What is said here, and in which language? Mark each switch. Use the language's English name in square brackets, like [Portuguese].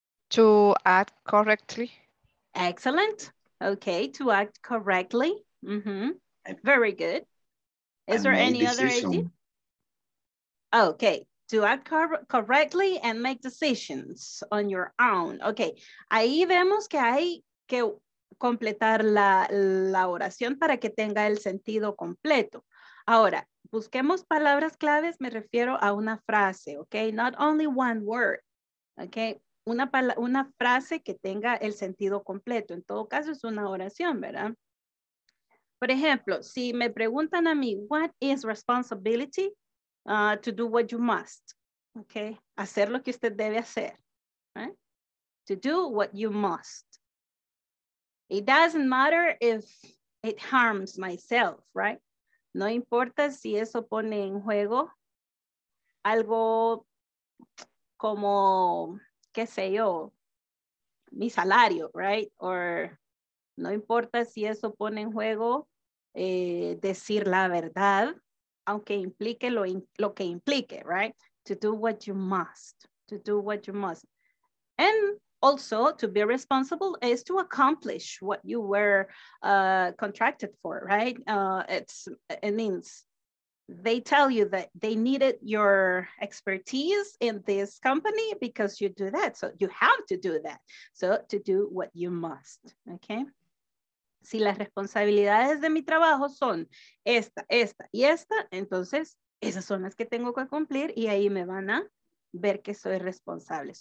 [English] To act correctly. Excellent. Okay, to act correctly. Mm-hmm. Very good. Is there any other idea? Okay, to act correctly and make decisions on your own. [Spanish] Okay, ahí vemos que hay que completar la oración para que tenga el sentido completo. Ahora, busquemos palabras claves, me refiero a una frase, okay? [English] Not only one word, [Spanish] okay? Una frase que tenga el sentido completo. En todo caso, es una oración, ¿verdad? Por ejemplo, si me preguntan a mí, [English] what is responsibility? To do what you must, okay? [Spanish] Hacer lo que usted debe hacer, [English] right? To do what you must. It doesn't matter if it harms myself, right? [Spanish] No importa si eso pone en juego algo como, qué sé yo, mi salario, right? Or no importa si eso pone en juego decir la verdad, aunque implique lo que implique, right? [English] To do what you must, to do what you must. And also to be responsible is to accomplish what you were contracted for, right? It means they tell you that they needed your expertise in this company because you do that, so you have to do that. So to do what you must, okay? [Spanish] Si las responsabilidades de mi trabajo son esta, esta y esta, entonces esas son las que tengo que cumplir y ahí me van a ver que soy responsable.